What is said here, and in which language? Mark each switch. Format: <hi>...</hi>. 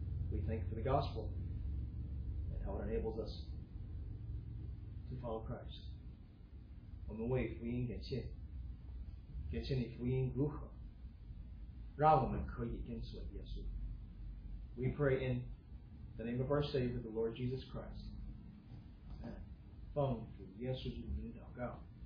<en>We thank for the gospel and how it enables us to follow Christ.</en> <zh>我们为福音感谢，感谢你福音如何让我们可以跟随耶稣。</zh> <en>We pray in the name of our Savior, the Lord Jesus Christ.</en> <zh>奉主耶稣基督的名祷告。</zh>